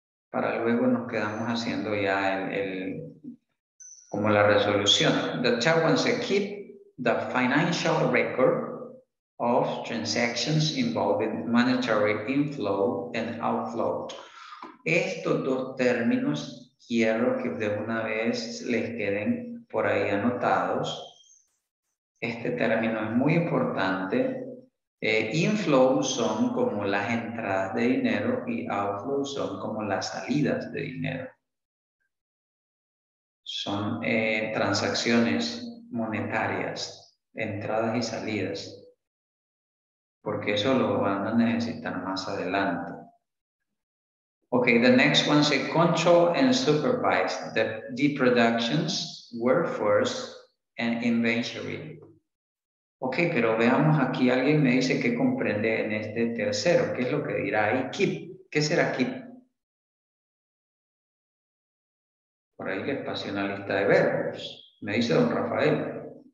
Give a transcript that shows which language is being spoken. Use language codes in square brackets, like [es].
[es] Para luego nos quedamos haciendo ya el como la resolución. [en] The third one says keep the financial record of transactions involving monetary inflow and outflow. [es] Estos dos términos quiero que de una vez les queden por ahí anotados. Este término es muy importante. Inflow son como las entradas de dinero y outflow son como las salidas de dinero. Son transacciones monetarias, entradas y salidas. Porque eso lo van a necesitar más adelante. [en] Okay, the next one say control and supervise the productions, workforce, and inventory. [es] Ok, pero veamos aquí, alguien me dice que comprende en este tercero. ¿Qué es lo que dirá ahí? Keep. ¿Qué será keep? Por ahí le paso una lista de verbos. Me dice don Rafael.